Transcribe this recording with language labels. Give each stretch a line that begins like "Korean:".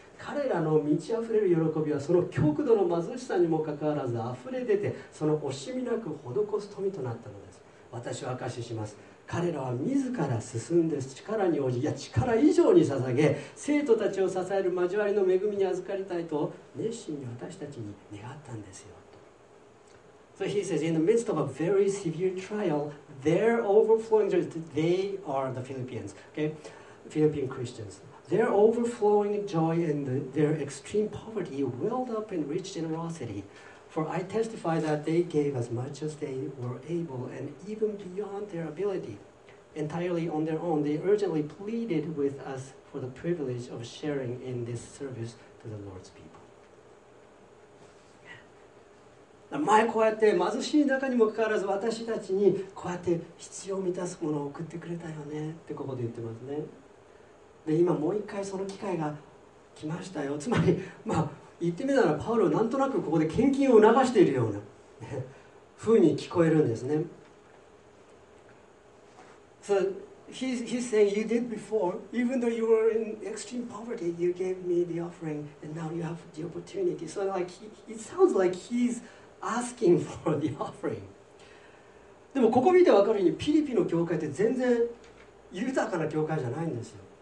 Japanese: 彼らの満ち溢れる喜びはその極度の貧しさにもかかわらず溢れ出て、その惜しみなく施す富となったのです。私は証しします、彼らは自ら進んで力に応じ、いや力以上に捧げ、生徒たちを支える交わりの恵みに預かりたいと熱心に私たちに願ったんですよと。
English: So he says, in the midst of a very severe trial, their overflowing joy, they are the Philippians, okay? Philippine Christians. Their overflowing joy and their extreme poverty welled up in rich generosity. For I testify that they gave as much as they were able and even beyond their ability. Entirely on their own, they urgently pleaded with us for the privilege of sharing in this service to the Lord's people.
Japanese: 前こうやって貧しい中にもかかわらず私たちにこうやって必要を満たすものを送ってくれたよねってここで言ってますね。で今もう一回その機会が来ましたよ。つまり、まあ、言ってみたらパウロはなんとなくここで献金を促しているような、ね、風に聞こえるんですね。
English: So he's saying you did before, even though you were in extreme poverty, you gave me the offering, and now you have the opportunity. So like it sounds like he's asking for the offering.
Japanese: でもここ見てわかるように、ピリピの教会って全然豊かな教会じゃないんですよ。